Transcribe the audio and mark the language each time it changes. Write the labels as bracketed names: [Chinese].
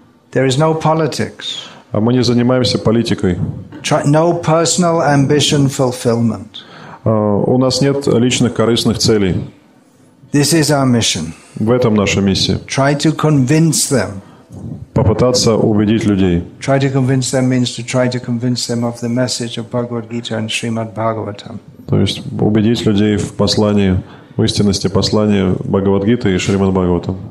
[English] There is no politics. [Russian] А мы не занимаемся политикой. [English] No personal ambition fulfillment. [Russian] У нас нет личных корыстных целей. [English] This is our mission. [Russian] В этом наша миссия. [English] Try to convince them. [Russian] Попытаться убедить людей. [English] Try to convince them means to try to convince them of the message of Bhagavad Gita and Srimad Bhagavatam. [Russian] То есть убедить людей в послании, в истинности послания Бхагавад Гиты и Шримад Бхагаватам.